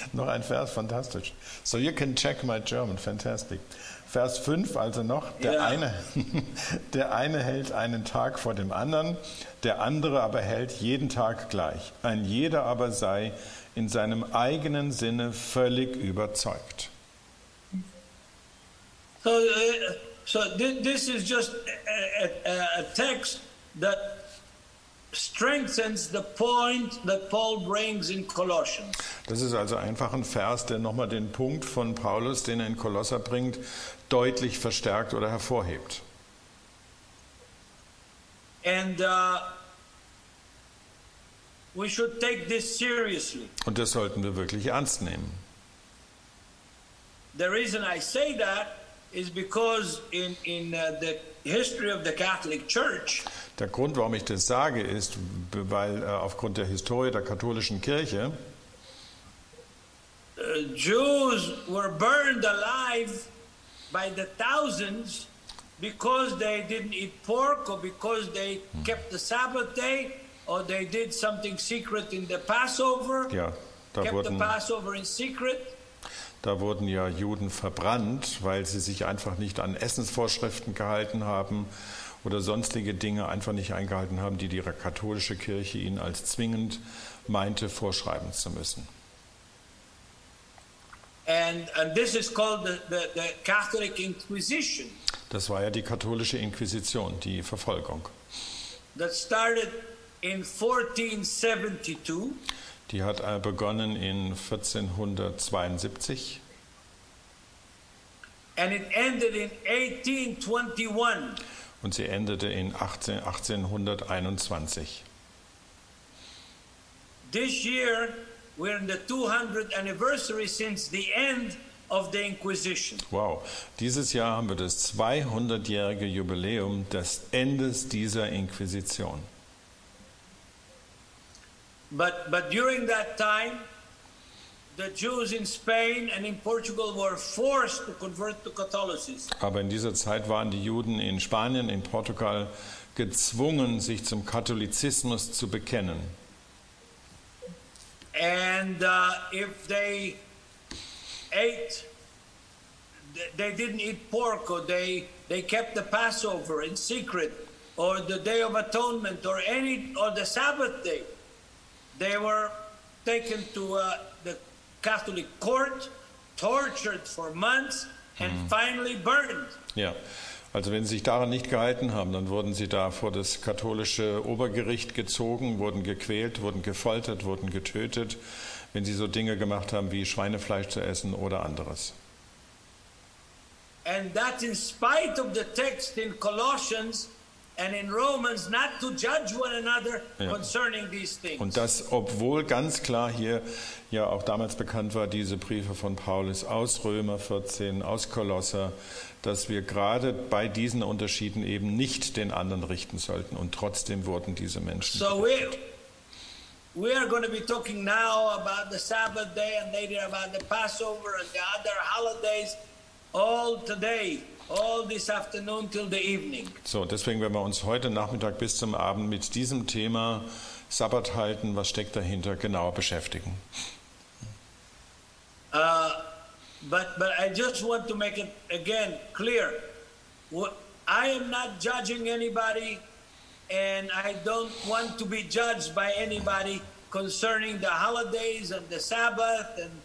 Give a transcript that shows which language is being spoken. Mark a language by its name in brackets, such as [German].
[German] Noch ein Vers, fantastisch. [English] So you can check my German, fantastic. [German] Vers 5 also noch, der eine hält einen Tag vor dem anderen, der andere aber hält jeden Tag gleich. Ein jeder aber sei in seinem eigenen Sinne völlig überzeugt. [English] So this is just a text that strengthens the point that Paul brings in Colossians. [German] Das ist also einfach ein Vers, der nochmal den Punkt von Paulus, den er in Kolosser bringt, deutlich verstärkt oder hervorhebt. [English] And we should take this seriously. [German] Und das sollten wir wirklich ernst nehmen. [English] The reason I say that is because in the history of the Catholic Church. [German] Der Grund, warum ich das sage, ist, weil aufgrund der Historie der katholischen Kirche [English] Jews were burned alive by the thousands because they didn't eat pork or because they kept the Sabbath day or they did something secret in the Passover. [German] Ja, da [English] kept [German] wurden, [English] the Passover in secret. [German] Da wurden ja Juden verbrannt, weil sie sich einfach nicht an Essensvorschriften gehalten haben oder sonstige Dinge einfach nicht eingehalten haben, die katholische Kirche ihnen als zwingend meinte, vorschreiben zu müssen. [English] And this is called the Catholic Inquisition. [German] Das war ja die katholische Inquisition, die Verfolgung. [English] That started in 1472. [German] Die hat begonnen in 1472. [English] And it ended in 1821. [German] Und sie endete in 1821. [English] This year we're in the 200th anniversary since the end of the Inquisition. [German] Wow, dieses Jahr haben wir das 200-jährige Jubiläum des Endes dieser Inquisition. [English] But during that time, the Jews in Spain and in Portugal were forced to convert to Catholicism. [German] Aber in dieser Zeit waren die Juden in Spanien, in Portugal gezwungen, sich zum Katholizismus zu bekennen. [English] And if they ate, they didn't eat pork, or they kept the Passover in secret, or the Day of Atonement, or the Sabbath day, they were taken to the Catholic court, tortured for months, and finally burned. [German] Ja, also wenn sie sich daran nicht gehalten haben, dann wurden sie da vor das katholische Obergericht gezogen, wurden gequält, wurden gefoltert, wurden getötet, wenn sie so Dinge gemacht haben wie Schweinefleisch zu essen oder anderes. [English] And that in spite of the text in Colossians and in Romans not to judge one another concerning these things. [German] Und das, obwohl ganz klar hier ja auch damals bekannt war, diese Briefe von Paulus aus Römer 14, aus Kolosser, dass wir gerade bei diesen Unterschieden eben nicht den anderen richten sollten. Und trotzdem wurden diese Menschen gerichtet. [English] So we are going to be talking now about the Sabbath day and later about the Passover and the other holidays all today. All this afternoon till the evening. [German] So, deswegen werden wir uns heute Nachmittag bis zum Abend mit diesem Thema Sabbat halten, was steckt dahinter, genauer beschäftigen. [English] But I just want to make it again clear. I am not judging anybody and I don't want to be judged by anybody concerning the holidays and the Sabbath